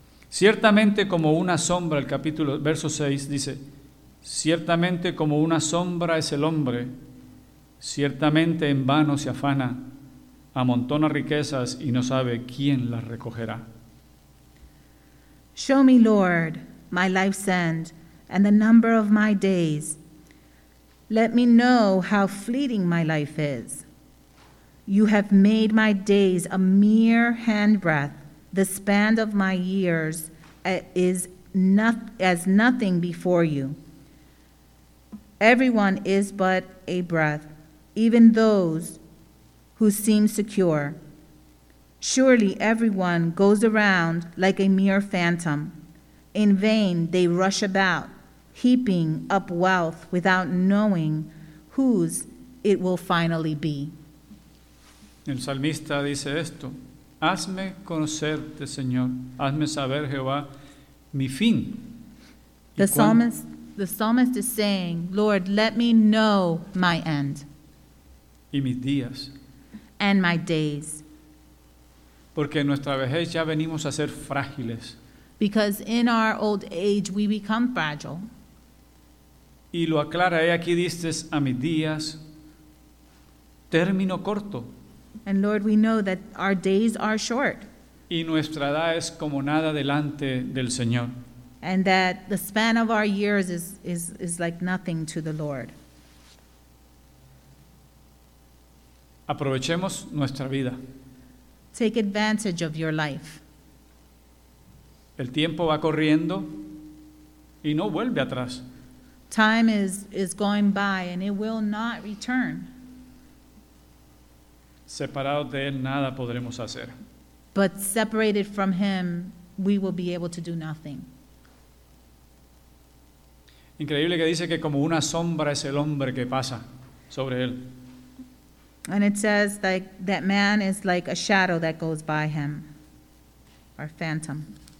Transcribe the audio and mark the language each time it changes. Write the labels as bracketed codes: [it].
[es] Ciertamente como una sombra, el capítulo, verso 6, dice, ciertamente como una sombra es el hombre, ciertamente en vano se afana, amontona riquezas y no sabe quién las recogerá. [en] Show me, Lord, my life's end and the number of my days. Let me know how fleeting my life is. You have made my days a mere handbreadth. The span of my years is as nothing before you. Everyone is but a breath, even those who seem secure. Surely everyone goes around like a mere phantom. In vain they rush about, heaping up wealth without knowing whose it will finally be. [es] El salmista dice esto, hazme conocerte, Señor, hazme saber, Jehová, mi fin. [en] The psalmist is saying, Lord, let me know my end. [es] Y mis días. [en] And my days. [es] Porque en nuestra vejez ya venimos a ser frágiles. [en] Because in our old age we become fragile. [es] Y lo aclara, he aquí diste a mis días término corto. [en] And Lord, we know that our days are short. [es] Y nuestra edad es como nada delante del Señor. [en] And that the span of our years is like nothing to the Lord. [es] Aprovechemos nuestra vida. [en] Take advantage of your life. [es] El tiempo va corriendo y no vuelve atrás. [en] Time is going by and it will not return. [es] Separados de él, nada podremos hacer. [en] But separated from him, we will be able to do nothing. [es] Increíble que dice que como una sombra es el hombre que pasa sobre él. [en] And it says like that man is like a shadow that goes by him, or phantom.